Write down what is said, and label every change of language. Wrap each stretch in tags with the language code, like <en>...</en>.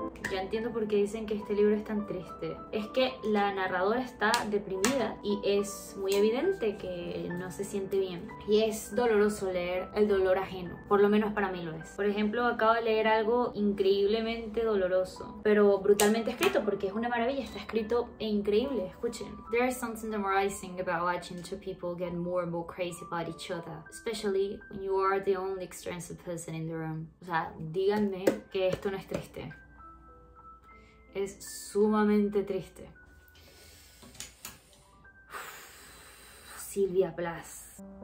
<es>Ya entiendo por qué dicen que este libro es tan triste. Es que la narradora está deprimida y es muy evidente que no se siente bien. Y es doloroso leer el dolor ajeno. Por lo menos para mí lo es. Por ejemplo, acabo de leer algo increíblemente doloroso, pero brutalmente escrito, porque es una maravilla. Está escrito e increíble. Escuchen.</es> <en>There is something demoralizing about watching two people get more and more crazy about each other, especially when you are the only extensive person in the room.</en> <es>O sea, díganme que esto no es triste. Es sumamente triste. Sylvia Plath.</es>